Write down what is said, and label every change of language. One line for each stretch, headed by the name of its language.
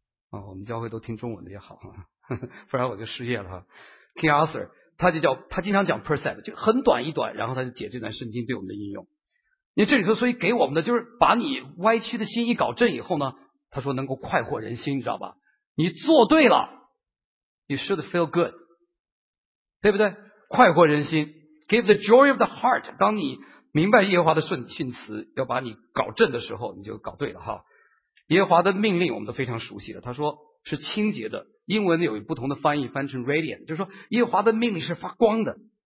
Chinese: 我们教会都听中文的也好，呵呵，不然我就失业了。 King Arthur 他经常讲 precept， 就很短一短，然后他就解这段圣经对我们的应用。你这里头所以给我们的就是把你歪曲的心一搞正以后呢，他说能够快活人心，你知道吧？你做对了，
English: you should feel good，
Chinese: 对不对？快活人心，
English: give the joy of the heart，
Chinese: 当你明白耶和华的训词要把你搞正的时候，你就搞对了哈。耶和华的命令我们都非常熟悉了，他说是清洁的，英文有不同的翻译，翻成 radiant， 就是说耶和华的命令是发光的。